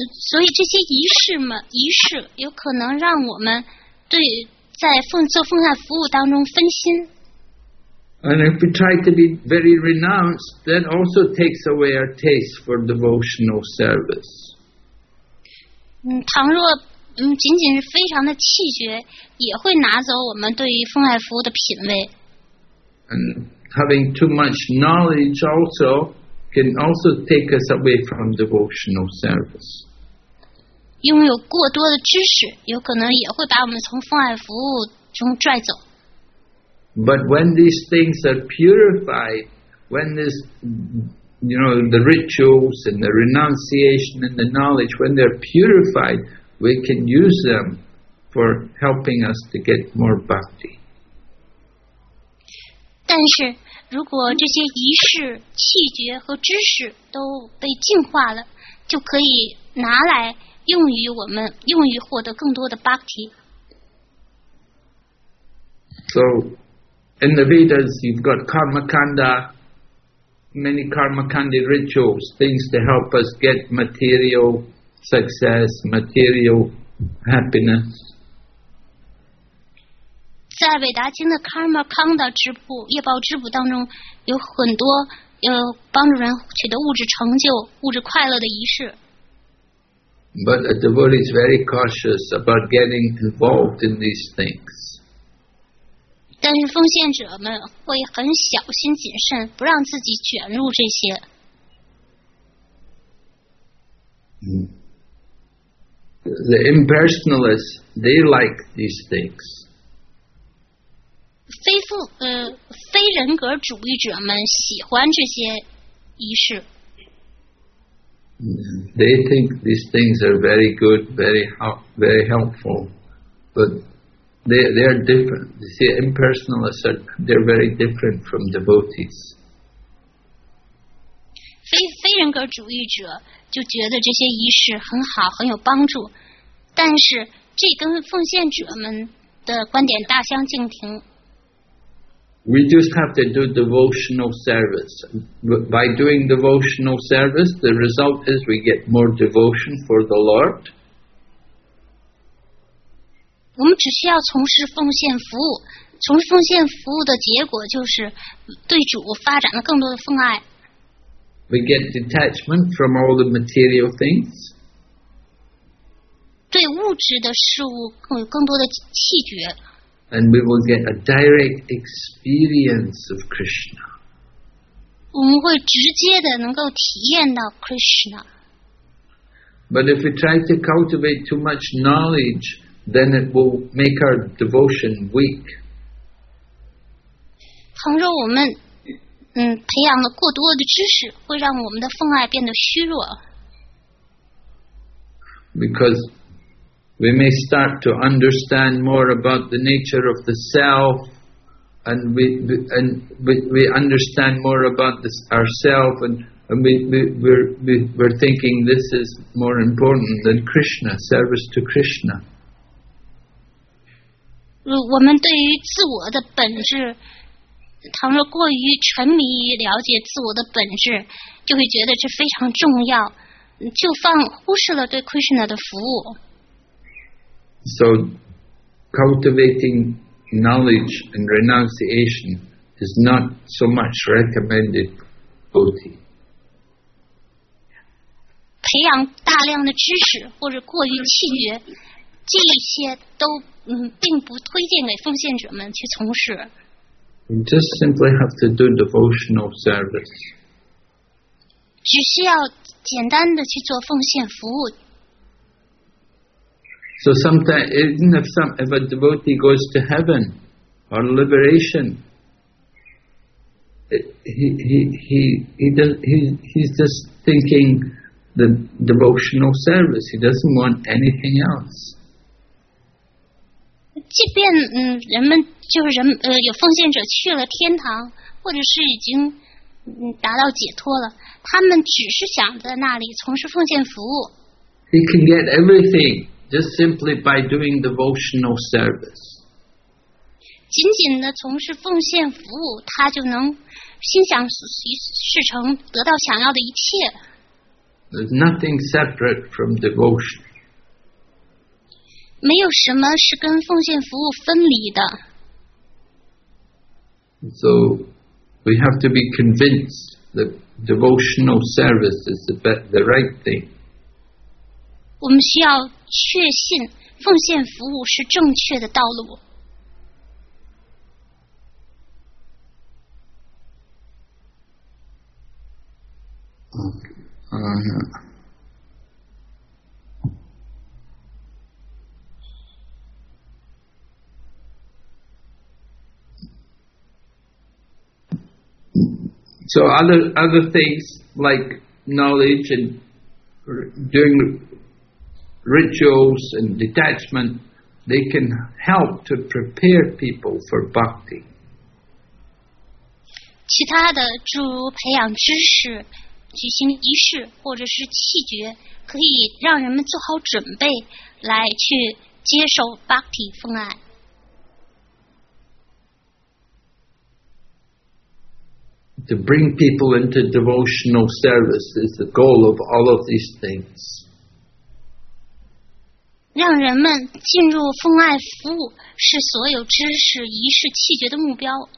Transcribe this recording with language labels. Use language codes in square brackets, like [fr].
[zh] 所以这些仪式有可能让我们对在做奉献服务当中分心。 [en] And if we try to be very renounced, that also takes away our taste for devotional service. [zh] 倘若仅仅是非常的气绝，也会拿走我们对于奉爱服务的品味。 [en] And having too much knowledge also can also take us away from devotional service. [zh] 拥有过多的知识，有可能也会把我们从奉爱服务中拽走。 [en] But when these things are purified, when this, you know, the rituals and the renunciation and the knowledge, when they're purified,We can use them for helping us to get more bhakti. [zh] 但是如果这些仪式、气诀和知识都被净化了，就可以拿来用于我们，用于获得更多的 bhakti. [en] So, in the Vedas, you've got karmakanda, many karmakanda rituals, things to help us get material. Success, material happiness. [zh] 在韦达经的 Karma Kanda 支部业报支部当中，有很多帮助人取得物质成就、物质快乐的仪式。 [en] But a devotee is very cautious about getting involved in these things. [zh] 但是奉献者们会很小心谨慎，不让自己卷入这些。 [en] The impersonalists, they like these things. [zh] 非人格主义者们喜欢这些仪式。 [en] They think these things are very good, very helpful, but they are different. You see, impersonalists they're very different from devotees. [zh] 非人格主义者就觉得这些仪式很好，很有帮助，但是这跟奉献者们的观点大相径庭。 [en] We just have to do devotional service. By doing devotional service, the result is we get more devotion for the Lord. [zh] 我们只需要从事奉献服务，从事奉献服务的结果就是对主发展了更多的奉爱。 [en] We get detachment from all the material things. [zh] 对物质的事物有更多的弃绝。 [en] And we will get a direct experience of Krishna. [zh] 我们会直接的能够体验到 Krishna. [en] But if we try to cultivate too much knowledge, then it will make our devotion weak. [zh] 倘若我们培养了过多的知识，会让我们的奉爱变得虚弱。 [en] Because we may start to understand more about the nature of the self, and we understand more about this ourselves, and we're thinking this is more important than Krishna, service to Krishna. [zh] 我们对于自我的本质，倘若过于沉迷于了解自我的本质，就会觉得这非常重要，就忽视了对 Krishna 的服务。 [en] So, cultivating knowledge and renunciation is not so much recommended for devotee. [zh] 培养大量的知识或者过于弃绝，这些都并不推荐给奉献者们去从事。 [en] You just simply have to do devotional service. [zh] 只需要简单的去做奉献服务。 [en] So sometimes, even if a devotee goes to heaven or liberation, he's just thinking the devotional service. He doesn't want anything else. [zh] 即便人们就是人有奉献者去了天堂，或者是已经达到解脱了，他们只是想在那里从事奉献服务。 [en] He can get everything. Just simply by doing devotional service. [zh] 仅仅的从事奉献服务，他就能心想事成，得到想要的一切。 [en] There's nothing separate from devotion. [zh] 没有什么是跟奉献服务分离的。 [en] So we have to be convinced that devotional service is the right thing. [zh] 我们需要确信奉献服务是正确的道路。 [en] So other things like knowledge and doing rituals and detachment, they can help to prepare people for bhakti. [zh] 其他的诸如培养知识、举行仪式或者是弃绝，可以让人们做好准备来去接受 bhakti 奉爱。 [en] To bring people into devotional service is the goal of all of these things. [zh] 让人们进入奉爱服务是所有知识、仪式、弃绝的目标。